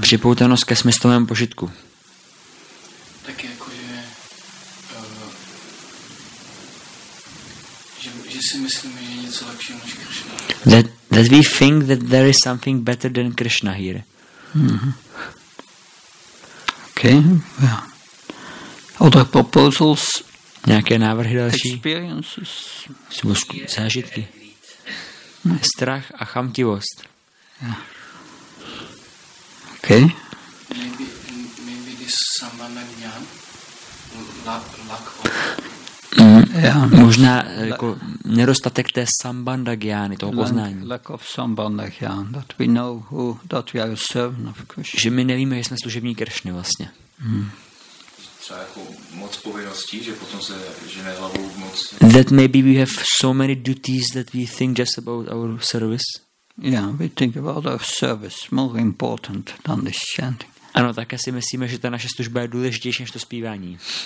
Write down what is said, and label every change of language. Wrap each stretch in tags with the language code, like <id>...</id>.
<cs>Připoutanost ke smyslovému požitku. Tak jakože, že si myslím, že je něco lepšího než Krishna.</cs> <en>That we think that there is something better than Krishna here. Mm-hmm. Okay. Yeah. Other proposals.</en> <cs>Nějaké návrhy další?</cs> <en>Experiences.</en> <cs>Zážitky. Strach a chamtivost. Yeah. Okay.</cs> <en>Maybe this samana jnan. Lack of.</en> <cs>Možná jako nedostatek té sambandha gyány, toho poznání.</cs> <en>Lack of sambandha gyan, that we know who, that we are a servant of Krishna.</en> <cs>Že my nevíme, že jsme služební Krishna vlastně. Třeba jako moc povinností, že potom se žene hlavou moc.</cs> <en>That maybe we have so many duties that we think just about our service. Yeah, we think about our service more important than this chanting.</en> <cs>Ano, také si myslíme, že ta naše služba je důležitější než to zpívání.</cs>